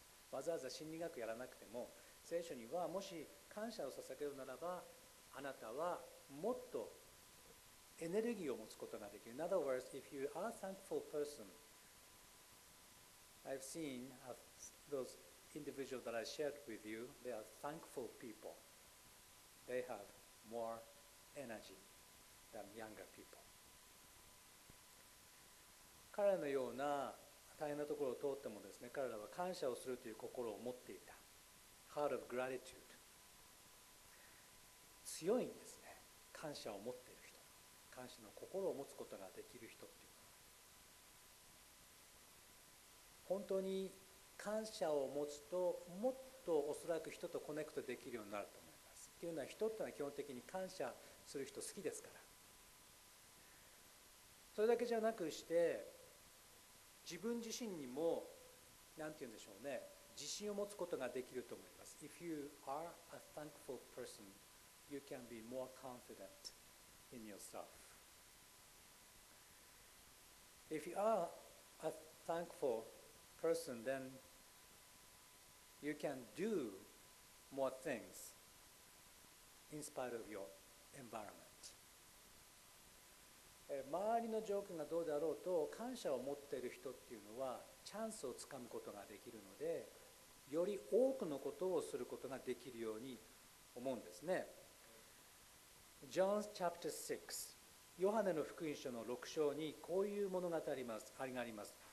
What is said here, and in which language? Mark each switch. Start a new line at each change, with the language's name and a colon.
Japanese: わざわざ心理学やらなくても、聖書にはもし感謝を捧げるならば、あなたはもっとエネルギーを持つことができる。
English: In other words, if you are a thankful person, I've seen those individuals that I shared with you, they are thankful people. They have more energy than younger people.
Japanese: 彼らのような大変なところを通ってもですね、彼らは感謝をするという心を持っていた。
English: Heart of gratitude.
Japanese: 強いんですね。感謝を持っている人、感謝の心を持つことができる人っていうのは、本当に感謝を持つと、もっとおそらく人とコネクトできるようになると思います。っていうのは、人ってのは基本的に感謝する人好きですから。それだけじゃなくして、自分自身にも、なんて言うんでしょうね、自信を持つことができると思います。
English: If you are a thankful person, you can be more confident in yourself. If you are a thankful person, then you can do more things in spite of your environment.
Japanese: 周りの状況がどうであろうと、感謝を持っている人っていうのはチャンスをつかむことができるので、より多くのことをすることができるように思うんですね。
English: John chapter 6、
Japanese: ヨハネの福音書の6章にこういう物語があります。